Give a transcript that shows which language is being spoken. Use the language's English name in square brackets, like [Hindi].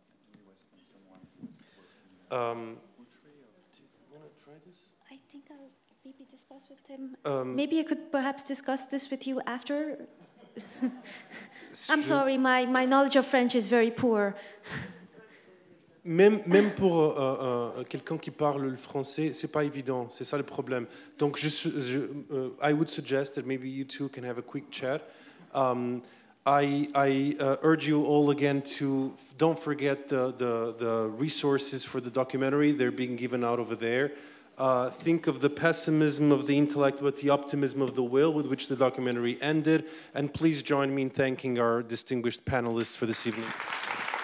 [English] And it was from someone who was. Do you want to try this? I think I'll maybe discuss with him. Maybe I could perhaps discuss this with you after. I'm sorry, my knowledge of French is very poor. [French] Même pour quelqu'un qui parle le français, c'est pas évident. C'est ça le problème. Donc, [English] I would suggest that maybe you two can have a quick chat. I urge you all again to don't forget the resources for the documentary. They're being given out over there. Think of the pessimism of the intellect, but the optimism of the will with which the documentary ended. And please join me in thanking our distinguished panelists for this evening.